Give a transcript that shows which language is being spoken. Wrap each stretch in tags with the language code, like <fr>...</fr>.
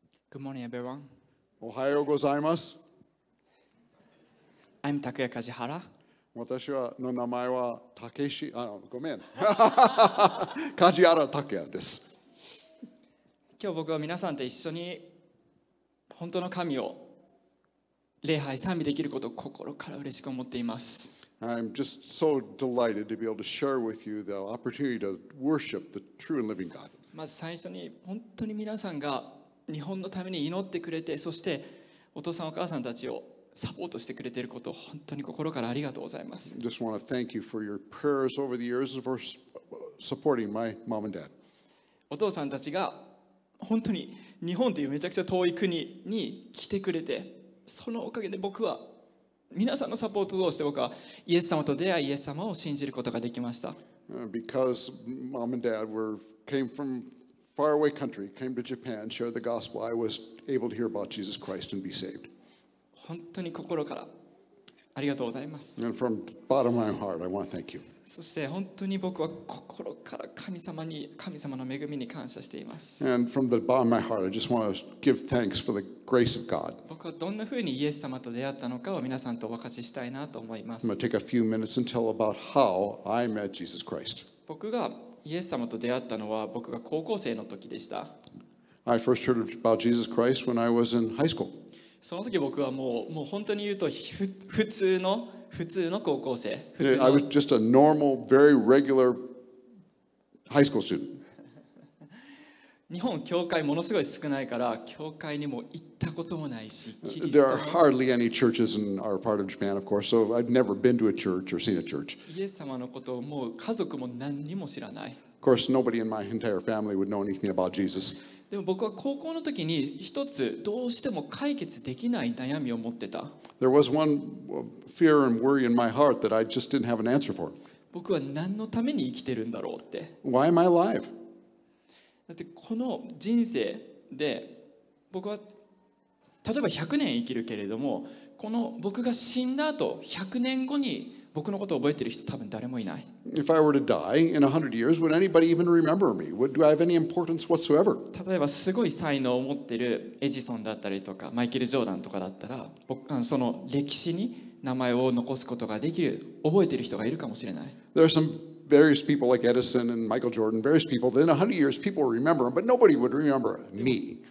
<en>Good morning, everyone.</en> <ja>おはようございます。</ja> <en>I'm Takuya Kajihara.</en> <ja>私はの名前はたけし、あ、ごめん。 Kajihara Takuya です。今日僕は皆さんと一緒に本当の神を礼拝賛美できることを心から嬉しく思っています。</ja> <en>I'm just so delighted to be able to share with you the opportunity to worship the true and living God.</en> <ja>まず最初に本当に皆さんが日本のために祈ってくれて、そしてお父さんお母さんたちをサポートしてくれていることを本当に心からありがとうございます。</ja> <en>Just want to thank you for your prayers over the years for supporting my mom and dad.</en> <ja>お父さんたちが本当に日本というめちゃくちゃ遠い国に来てくれて、そのおかげで僕は皆さんのサポートを通して僕はイエス様と出会い、イエス様を信じることができました。</ja> <en>Because mom and dad came from faraway country, came to Japan, shared the gospel. I was able to hear about Jesus Christ and be saved.</en> <ja>本当に心からありがとうございます。</ja> <en>And from the bottom of my heart, I want to thank you.</en> <ja>そして本当に僕は心から神様の恵みに感謝しています。</ja> <en>And from the bottom of my heart, I just want to give thanks for the grace of God.</en> <ja>僕はどんなふうにイエス様と出会ったのかを皆さんとお分かちしたいなと思います。</ja> <en>I'm going to take a few minutes and tell about how I met Jesus Christ.</en> <ja>僕がイエス様と出会ったのは僕が高校生の時でした。</ja> <en>I first heard about Jesus Christ when I was in high school.</en> <ja>その時僕はもう本当に言うと普通の高校生。</ja> <en>I was just a normal, very regular high school student.</en> <ja>日本教会ものすごい少ないから教会にも行ったこともないし、</ja> <en>There are hardly any churches in our part of Japan, of course, so I've never been to a church or seen a church.</en> <ja>イエス様のことをもう家族も何にも知らない。</ja> <en>Of course, nobody in my entire family would know anything about Jesus.</en> <ja>でも僕は高校の時に一つどうしても解決できない悩みを持ってた。</ja> <en>There was one fear and worry in my heart that I just didn't have an answer for.</en> <ja>僕は何のために生きてるんだろうって。</ja> <en>Why am I alive?</en> <ja>だってこの人生で僕は例えば100年生きるけれども、この僕が死んだ後100年後に僕のことを覚えている人多分誰もいない。</ja> <en>If I were to die in 100 years, would anybody even remember me? Would, do I have any importance whatsoever?</en> <ja>例えばすごい才能を持っているエジソンだったりとかマイケル・ジョーダンとかだったら、僕その歴史に名前を残すことができる覚えている人がいるかもしれない。</ja> <en>There are some various people like Edison and Michael Jordan, various people. Then 100 years, people will remember them, but nobody would remember me.</en>